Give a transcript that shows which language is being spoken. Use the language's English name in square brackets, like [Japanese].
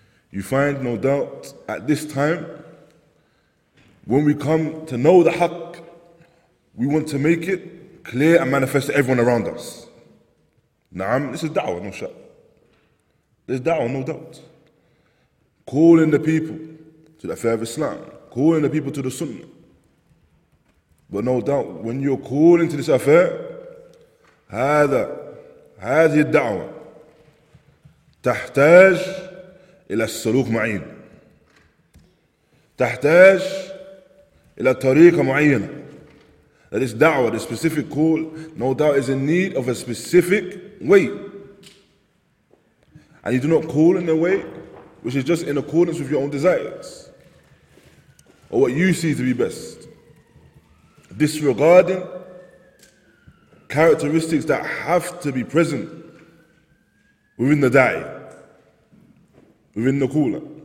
[English] You find, no doubt, at this time, when we come to know the haqq, we want to make it clear and manifest to everyone around us. Naam, this is da'wah, no shak. This is da'wah, no doubt. Calling the people to the affair of Islam, calling the people to the sunnah. But no doubt, when you're calling to this affair, [Arabic] هذه الدعوة تحتاج إلى السلوك معين, تحتاج إلى طريقة معينة. [English] That this da'wah, this specific call, no doubt is in need of a specific way. And you do not call in a way which is just in accordance with your own desires or what you see to be best, disregarding characteristics that have to be present within the da'i, within the caller.